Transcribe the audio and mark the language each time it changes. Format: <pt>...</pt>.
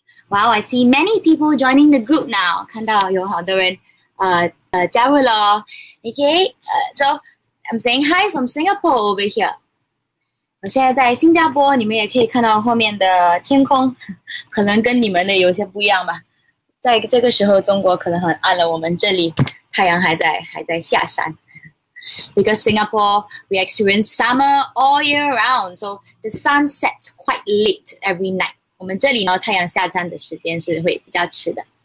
<en>Wow, I see many people joining the group now.</en> <zh>看到有好多人加入了。</zh> <en>Okay, so I'm saying hi from Singapore over here.</en> <zh>我现在在新加坡，你们也可以看到后面的天空，可能跟你们的有些不一样吧。在这个时候，中国可能很暗了，我们这里太阳还在下山。</zh> <en>Because Singapore, we experience summer all year round, so the sun sets quite late every night.</en> <zh>我们这里呢，太阳下山的时间是会比较迟的。</zh>